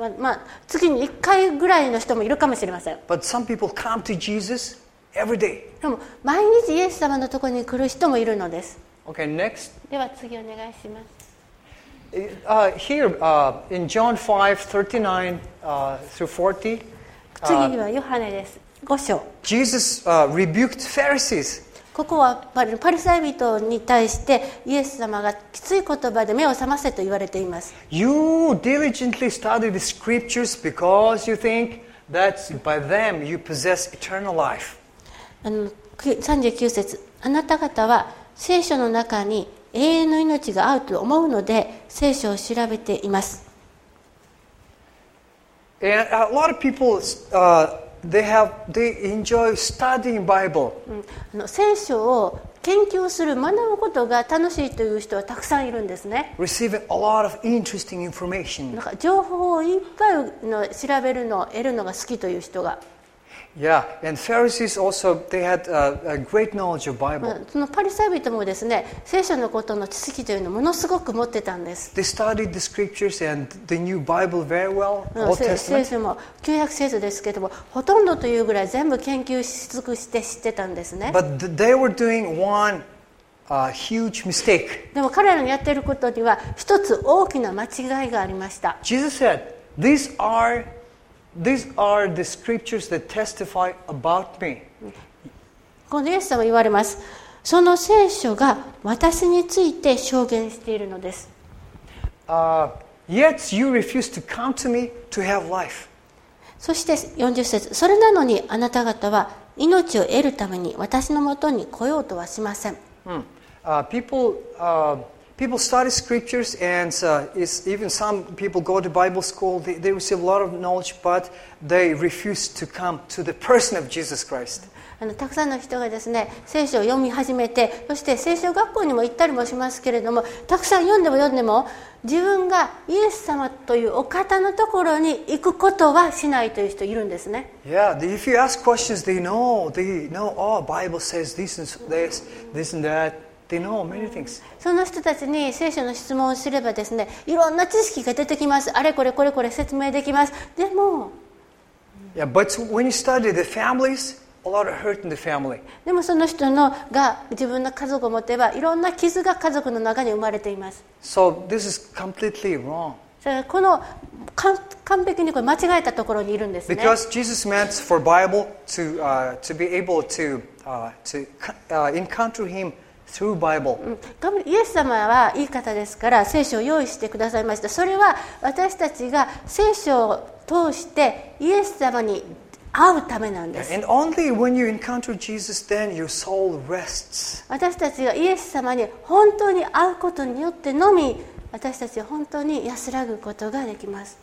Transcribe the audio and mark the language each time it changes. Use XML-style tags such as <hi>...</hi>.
<ja>まあ、月に1回ぐらいの人もいるかもしれません。</ja> <en>But some people come to Jesus every day.</en> <ja>でも毎日イエス様のところに来る人もいるのです。</ja> <en>Okay, next.</en> <ja>では次お願いします。</ja> <en>Here, in John 5:39-40.</en> <ja>次はヨハネです。5章。</ja> <en>Jesus rebuked Pharisees.</en> <ja>ここはパリサイ人に対してイエス様がきつい言葉で目を覚ませと言われています。</ja> <en>You diligently study the scriptures because you think that by them you possess eternal life.</en> <ja>39節、あなた方は聖書の中に永遠の命があると思うので聖書を調べています。</ja> <en>And a lot of people They enjoy studying Bible.</en> <ja>聖書を研究する学ぶことが楽しいという人はたくさんいるんですね。</ja> <en>Receiving a lot of interesting information.</en> <ja>なんか情報をいっぱいの調べるのを得るのが好きという人が。</ja> <en>Yeah, and Pharisees also they had a great knowledge of Bible.</en> <ja>そのパリサイ人もですね、聖書のことの知識というのをものすごく持ってたんです。</ja> <en>They studied the scriptures and the new Bible very well, Old Testament.</en> <ja>聖書も旧約聖書ですけれども、ほとんどというぐらい全部研究し尽くして知ってたんですね。</ja> <en>But they were doing one huge mistake.</en> <ja>でも彼らのやってることには一つ大きな間違いがありました。</ja> <en>Jesus said, These are the scriptures that testify about me.</en> <ja>このイエス様は言われます。その聖書が私について証言しているのです。</ja> <en>Yet you refuse to come to me to have life.</en> <ja>そして40節、それなのにあなた方は命を得るために私のもとに来ようとはしません。</ja> <en>People study scriptures and even some people go to Bible school. They receive a lot of knowledge, but they refuse to come to the person of Jesus Christ.</en> <ja>たくさんの人がですね、聖書を読み始めて、そして聖書学校にも行ったりもしますけれども、たくさん読んでも読んでも、自分がイエス様というお方のところに行くことはしないという人いるんですね。</ja> <en>Yeah, if you ask questions, they know. They know, oh, Bible says this and this and that. They know many things.</en> <ja>その人たちに聖書の質問をすればですね、いろんな知識が出てきます。あれこれこれこれ説明できます。でも、</ja> <en>yeah, but when you study the families, a lot of hurt in the family.</en> <ja>でもその人のが自分の家族を持てば、いろんな傷が家族の中に生まれています。</ja> <en>So this is completely wrong.</en> <ja>この完璧にこれ間違えたところにいるんですね。</ja> <en>Because Jesus meant for Bible to, to be able to, to encounter him through Bible.</en> <ja>イエス様はいい方ですから聖書を用意してくださいました。それは私たちが聖書を通してイエス様に会うためなんです。</ja> <en>And only when you encounter Jesus, then your soul rests.</en> <ja>私たちがイエス様に本当に会うことによってのみ私たちは本当に安らぐことができます。</ja>